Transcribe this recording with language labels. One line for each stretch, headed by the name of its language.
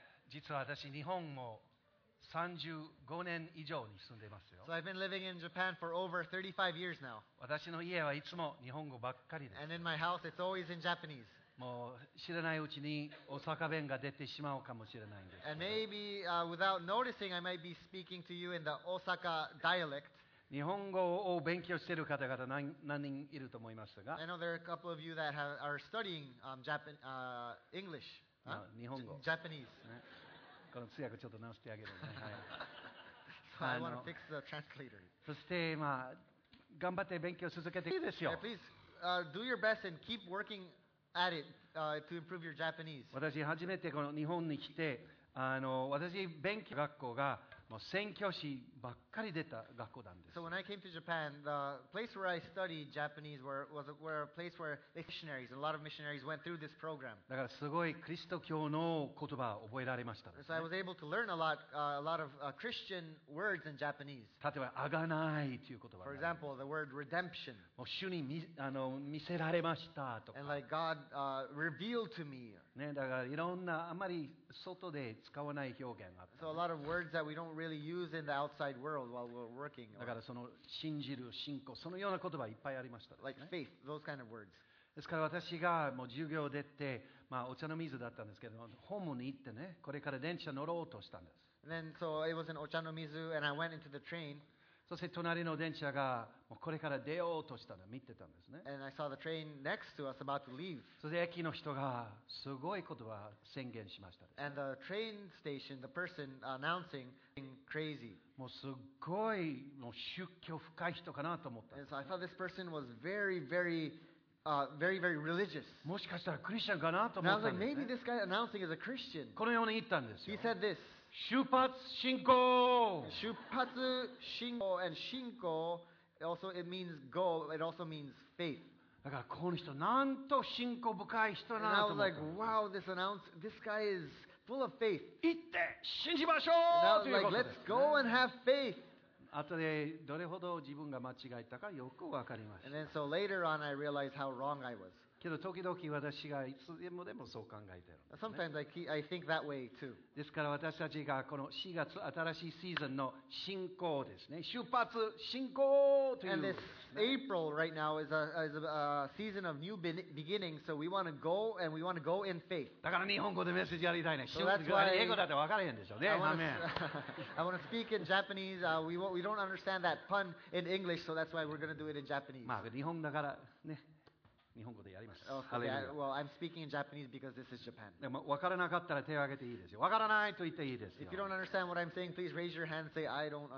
Japanese: 実は私日本も35年以上に住んでますよ。
English: So I've been living in Japan for over 35 years now.
Japanese: 私の家はいつも日本語ばっかりです。
English: And in my house, it's always in Japanese.
Japanese: もう知らないうちに大阪弁が出てしまうかもしれないんですけど。
English: And maybe, without noticing, I might be speaking to you in the Osaka dialect.
Japanese: 日本語を勉強している方々 何人いると思いますが。
English: I know there are a couple of you that are studying English.
Japanese: 日本語。
English: Japanese.、ね、
Japanese: この通訳ちょっと直してあげるね。はい、
English: so I want to fix the translator.
Japanese: そして、まあ、頑張って勉強続けていいですよ。
English: Yeah, please, do your best and keep working at it, to improve your Japanese.
Japanese: 私初めてこの日本に来て、私勉強学校がもう宣教師ばっかり出た学校なんです。
English: So when I came to Japan, the place where I studied Japanese was a place where missionaries, a lot of missionaries went through this program.
Japanese: だからすごいキリスト教の言葉を覚えられました、ね。
English: So I was able to learn a lot of Christian words in Japanese.
Japanese: 例えば贖いという言葉が。
English: For example, the word redemption.
Japanese: もう主に見せられましたとか。
English: And like God revealed to me.
Japanese: ね、だからいろんなあまり外で使わない表現があった。
English: So a lot of words that we don't really use in the outside world while we're working.
Japanese: だからその信じる信仰そのような言葉いっぱいありました、ね。
English: Like faith, those kind of words.
Japanese: ですから私がもう授業出て、まあ、お茶の水だったんですけど、ホームに行ってね、これから電車乗ろうとしたんです。
English: And then so it was in Ochanomizu and I went into the train.
Japanese: そして隣の電車がもうこれから出ようとしたの見てたんですね。
English: And I saw the train next to us about to leave.
Japanese: そして駅の人がすごい言葉宣言しました、ね。
English: And the train station, the person announcing. Crazy.
Japanese: もうすごいもう宗教深い人かなと思った。
English: And so I thought this person was very, very, very, very religious.
Japanese: もしかしたらクリスチャンかなと思った。
English: And I was like, maybe this guy announcing is a Christian.
Japanese: このように言ったんですよ。
English: He said this.
Japanese: 出発進行。
English: 出発進行 and 進行 also it means go. It also means faith.
Japanese: だからこの人なんと信仰深い人なんだと思った。
English: And I was like, wow, this guy is full of faith.
Japanese: 行って信じましょう。
English: And I was like, let's go and have faith.
Japanese: 後でどれほど自分が間違えたかよくわかりました。
English: And then so later on, I realized how wrong I was.
Japanese: けど時々私がいつでもでもそう考えてる、ね。
English: Sometimes I think that way too.
Japanese: ですから私たちがこの4月新しいシーズンの進行ですね。出発進行という。
English: And this April right now is a season of new beginning, so we want to go and we want to go in faith.
Japanese: だから日本語でメッセージやりたいね。
English: So that's why
Japanese: 英語だって分からへんでしょうね。
English: Amen. I want to speak in Japanese. We don't understand that pun in English, so that's why we're going to do it in Japanese.
Japanese: まあ日本だからね。日本語でやります。
English: Okay, well, I'm speaking in Japanese because this is Japan.
Japanese: でも分からなかったら手を挙げていいですよ。分からないと言っていいですよ。
English: If you don't understand what I'm saying, please raise your hand and say, I don't understand.